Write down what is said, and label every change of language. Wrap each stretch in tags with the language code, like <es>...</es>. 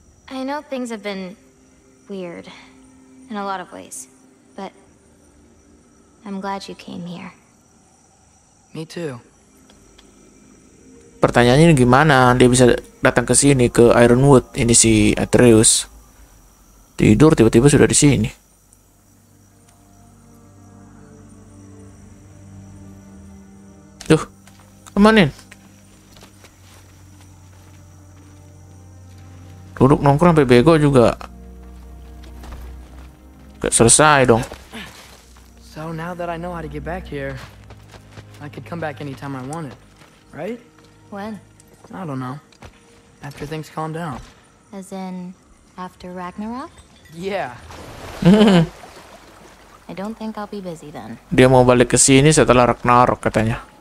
<en>I know things have been weird in a lot of ways, but I'm glad you came here. Me too.</en> <id>Pertanyaannya ini gimana dia bisa datang ke sini ke Ironwood ini si Atreus tidur tiba-tiba sudah di sini. Duh, kemanin? Duduk nongkrong sampai bego juga. Gak selesai dong.</id> <en>So now that I know how to get back here. I could come back anytime I wanted, right? When? I don't know. After things calm down. As in, after Ragnarok? Yeah. I don't think I'll be busy then.</en> <id>Dia mau balik ke sini setelah Ragnarok katanya.</id>